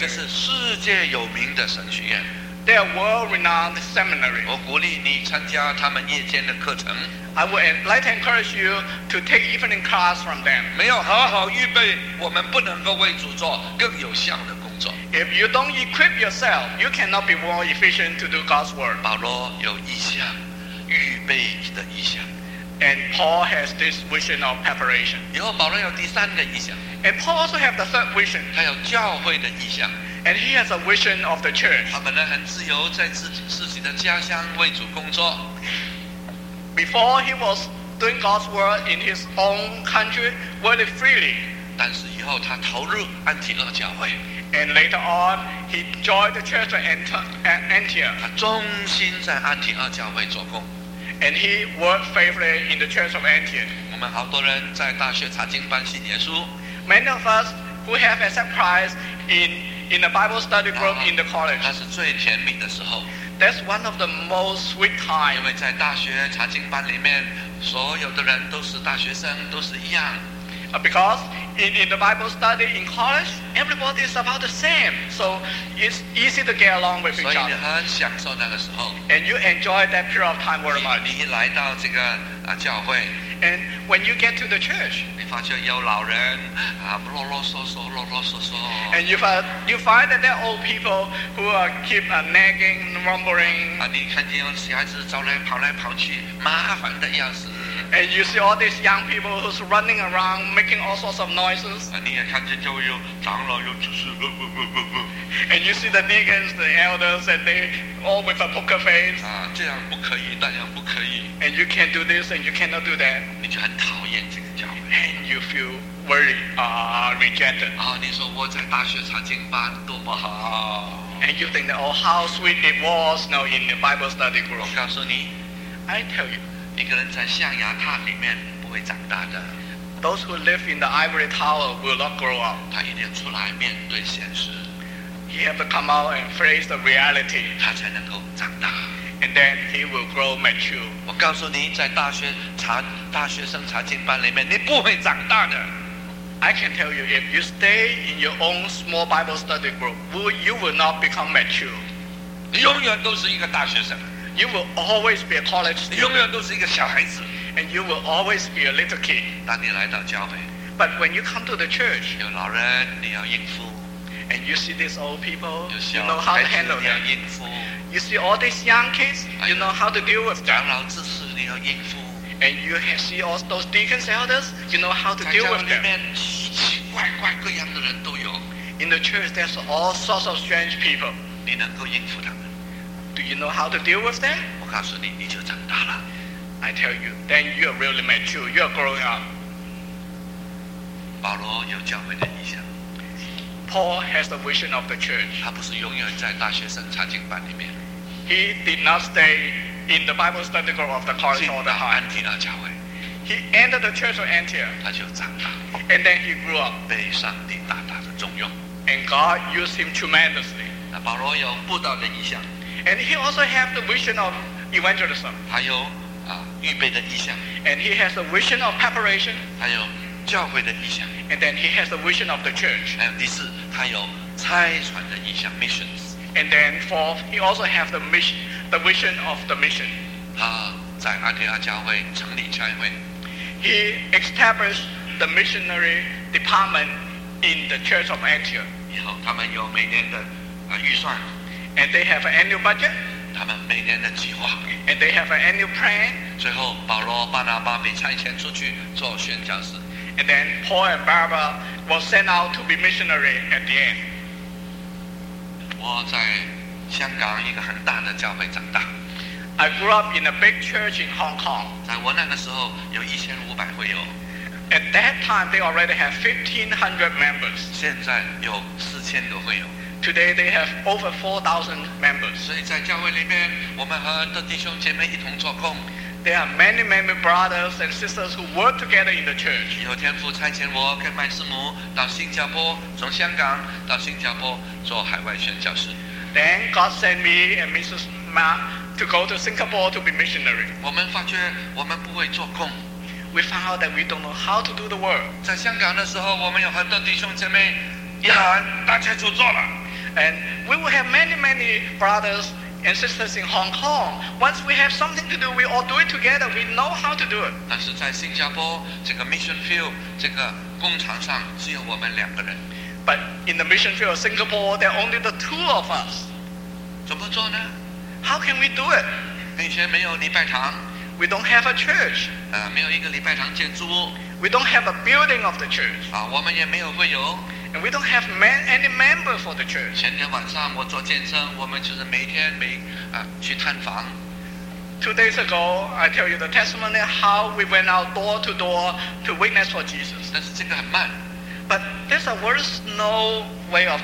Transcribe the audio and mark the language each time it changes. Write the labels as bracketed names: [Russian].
[Chinese] 这是世界有名的神学院。 [English] They are world-renowned seminary. [Chinese] 我鼓励你参加他们夜间的课程。 [English] I would like to encourage you to take evening class from them. [Chinese] 没有好好预备，我们不能够为主做更有效的工作。 [English] If you don't equip yourself, you cannot be more efficient to do God's work. [Chinese] 保罗有意向，预备的意向。 [English] And Paul has this vision of preparation. [Chinese] 以后保罗有第三个意向。 [English] And Paul also has the third vision. [Chinese] 他有教会的意向。 [English] And he has a vision of the church. [Chinese] 他本来很自由，在自己的家乡为主工作。 [English] Before he was doing God's work in his own country, very freely. [Chinese] 但是以后他投入安提柯教会。 [English] And later on, he joined the church at Antioch. [Chinese] 他忠心在安提柯教会做工。 [English] And he worked faithfully in the church of Antioch. [Chinese] 我们好多人在大学查经班信耶稣。 [English] Many of us who have accepted Christ in a Bible study group in the college. [Chinese] 那是最甜蜜的时候。 [English] That's one of the most sweet times. [Chinese] 因为在大学查经班里面，所有的人都是大学生，都是一样。 [English] Because in the Bible study in college, everybody is about the same, so it's easy to get along with each other. [Chinese] 所以你很享受那个时候。 [English] And you enjoy that period of time very much. [Chinese] 你来到这个教会。 [English] And when you get to the church, [Chinese] 你发现有老人啰啰嗦嗦，啰啰嗦嗦。 [English] And you find that there are old people who keep nagging, rumbling. [Chinese] 你看见有小孩子走来跑来跑去，麻烦的要死。 [English] And you see all these young people who's running around making all sorts of noises. And you see the deacons, the elders, and they all with a poker face. [Chinese] 这样不可以，那样不可以。 [English] And you can't do this and you cannot do that. [Chinese] 你就很讨厌这个教会。 [English] And you feel very rejected. [Chinese] 你说我在大学查经班多么好。 [English] And you think that, oh, how sweet it was now in the Bible study group. [Chinese] 我告诉你。 [English] I tell you. [Chinese] 一个人在象牙塔里面不会长大的。 [English] Those who live in the ivory tower will not grow up. [Chinese] 他一定要出来面对现实。 [English] He has to come out and face the reality. [Chinese] 他才能够长大。 [English] And then he will grow mature. [Chinese] 我告诉你，在大学生查经班里面，你不会长大的。 [English] I can tell you, if you stay in your own small Bible study group, you will not become mature. [Chinese] 你永远都是一个大学生。 [English] You will always be a college student. [Chinese] 你永远都是一个小孩子。 [English] And you will always be a little kid. [Chinese] 当你来到教会。 [English] But when you come to the church. [Chinese] 有老人你要应付。 [English] And you see these old people. [Chinese] 有小孩子 [English] you know how to handle them. [Chinese] 你要应付。 [English] You see all these young kids. You know how to deal with them. [Chinese] 长老执事你要应付。 [English] And you see all those deacons elders. You know how to deal with them. [Chinese] 在教会里面奇奇怪怪各样的人都有。 [English] In the church there's all sorts of strange people. [Chinese] 你能够应付他们。 [English] Do you know how to deal with that? [Chinese] 我告诉你，你就长大了。 [English] I tell you, then you are really mature. You are growing up. [Chinese] 保罗有教会的意向。 [English] Paul has the vision of the church. [Chinese] 他不是永远在大学生查经班里面。 [English] He did not stay in the Bible study group of the college all the time. [Chinese] 进到安提那教会。 [English] He entered the church of Antioch. [Chinese] 他就长大。 [English] And then he grew up. [Chinese] 被上帝大大的重用。 [English] And God used him tremendously. [Chinese] 那保罗有布道的意向。 [English] And he also has the vision of evangelism. [Chinese] 他有预备的意向。 [English] And he has a vision of preparation. [Chinese] 他有教会的意向。 [English] And then he has the vision of the church. [Chinese] 还有第四，他有差传的意向 missions. [English] And then fourth, he also has the mission, the vision of the mission. [Chinese] 他在安提阿教会成立差会。 [English] He established the missionary department in the church of Antioch. [Chinese] 以后他们有每年的预算。 [English] And they have an annual budget. [Chinese] 他们每年的计划。 [English] And they have an annual plan. [Chinese] 最后，保罗、巴拿巴被差遣出去做宣教士。 [English] And then Paul and Barnabas were sent out to be missionary at the end. [Chinese] 我在香港一个很大的教会长大。 [English] I grew up in a big church in Hong Kong. [Chinese] 在我那个时候有1500会友。 [English] At that time, they already have 1,500 members. [Chinese] 现在有4000个会友。 [English] Today, they have over 4,000 members. [Chinese] 所以在教会里面，我们和的弟兄姐妹一同做工。 [English] There are many, many brothers and sisters who work together in the church. [Chinese] 有天父差遣我跟麦师母到新加坡，从香港到新加坡做海外宣教士。 [English] Then God sent me and Mrs. Ma to go to Singapore to be missionary. [Chinese] 我们发觉我们不会做工。 [English] We found out that we don't know how to do the work. [Chinese] 在香港的时候，我们有很多弟兄姐妹一喊，大家就做了。 [English] And we will have many, many brothers and sisters in Hong Kong. Once we have something to do, we all do it together. We know how to do it. [Chinese] 但是在新加坡这个 mission field 这个工厂上只有我们两个人。 [English] But in the mission field of Singapore, there are only the two of us. [Chinese] 怎么做呢？ [English] How can we do it? [Chinese] 并且没有礼拜堂。 [English] We don't have a church. [Chinese] 没有一个礼拜堂建筑。 [English] We don't have a building of the church. [Chinese] 我们也没有会有。 [English] And we don't have any member for the church. [Chinese] 前天晚上我做见证，我们就是每天每去探访。 [English] Two days ago, I tell you the testimony how we went out door to door to witness for Jesus. [Chinese] 但是这个很慢。 [English] But there's a worse no way of doing it.